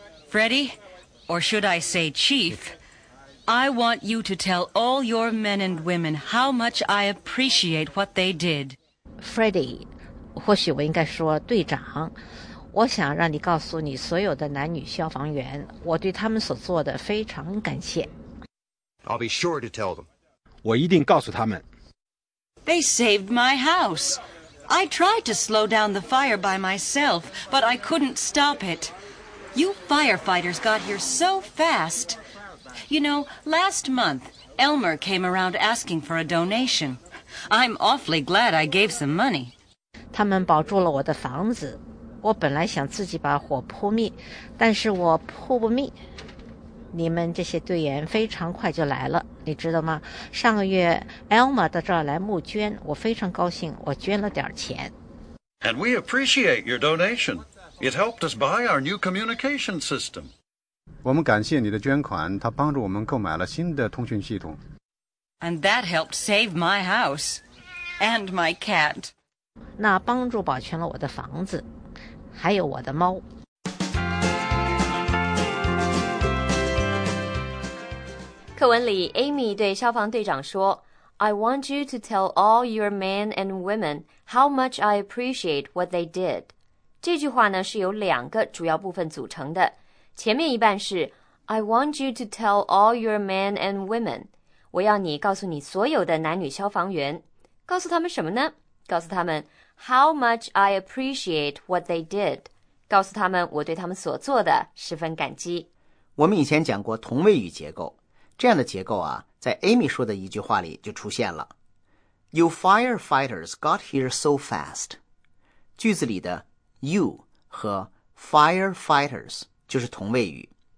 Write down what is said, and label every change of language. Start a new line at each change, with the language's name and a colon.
English: Freddy, or should I say Chief, I want you to tell all your men and women how much I appreciate what they did.
Chinese: Freddy, 或许我应该说队长。我想让你告诉你所有的男女消防员我对他们所做的非常感谢。
English: I'll be sure to tell them.
Chinese: 我一定告诉他们。
English: They saved my house. I tried to slow down the fire by myself, but I couldn't stop it. You firefighters got here so fast. You know, last month, Elmer came around asking for a donation. I'm awfully glad I gave some money.
Chinese: 他们保住了我的房子。我本来想自己把火扑灭，但是我扑不灭。你们这些队员非常快就来了，你知道吗？上个月 Elmer 到这儿来募捐，我非常高兴，我捐了点钱。
English: And we appreciate your donation. It helped us buy our new communication system.
Chinese: 我们感谢你的捐款，它帮助我们购买了新的通讯系统。
English: And that helped save my house and my cat.
Chinese: 那帮助保全了我的房子，还有我的猫。课文里 ,Amy 对消防队长说
English: ,I want you to tell all your men and women how much I appreciate what they did.
Chinese: 这句话呢是由两个主要部分组成的。前面一半是
English: ,I want you to tell all your men and women.
Chinese: 我要你告诉你所有的男女消防员。告诉他们什么呢？告诉他们
English: ,how much I appreciate what they did.
Chinese: 告诉他们我对他们所做的十分感激。我们以前讲过同位语结构。这样的结构啊，在 Amy 说的一句话里就出现了。
English: You firefighters got here so fast.
Chinese: 句子里的 you 和 firefighters 就是同位语。